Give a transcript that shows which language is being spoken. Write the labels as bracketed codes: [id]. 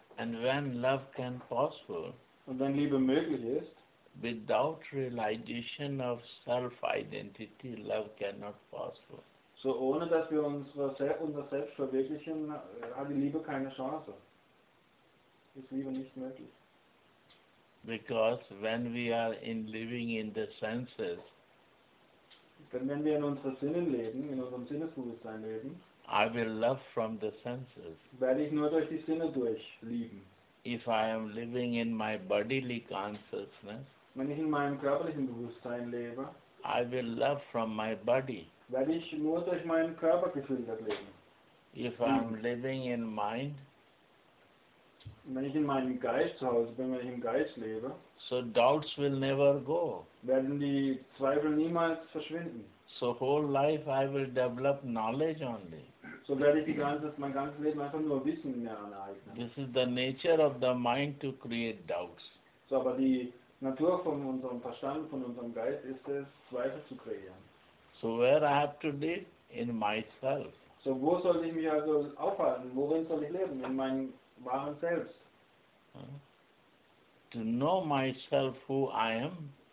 [en] And when love can possible. [de] Und wenn Liebe möglich ist. [en] Without realization of self-identity, love cannot possible. [de] So ohne dass wir unser Selbst verwirklichen, hat die Liebe keine Chance. Ist Liebe nicht möglich. [en] Because when we are in living in the senses, [de] wenn wir in unseren Sinnen leben, in unserem Sinnesbewusstsein leben, [en] I will love from the senses. [de] Werde ich nur durch die Sinne durch lieben. [en] If I am living in my bodily consciousness, [de] wenn ich in meinem körperlichen Bewusstsein lebe, [en] I will love from my body. [de] Werde ich nur durch meinen Körper gefiltert leben. [en] If I am living in mind. [de] Wenn ich in meinem Geist zu Hause bin, wenn ich im Geist lebe, [en] so doubts will never go. [de] Werden die Zweifel niemals verschwinden. [en] So whole life I will develop knowledge only. [de] So werde ich mein ganzes Leben einfach nur Wissen mehr aneignen. [en] This is the nature of the mind to create doubts. [de] So, aber die Natur von unserem Verstand, von unserem Geist ist es, Zweifel zu kreieren. [en] So where I have to live? In myself. [de] So wo soll ich mich also aufhalten? Worin soll ich leben? In meinem Waren selbst. [en] To know myself who I am.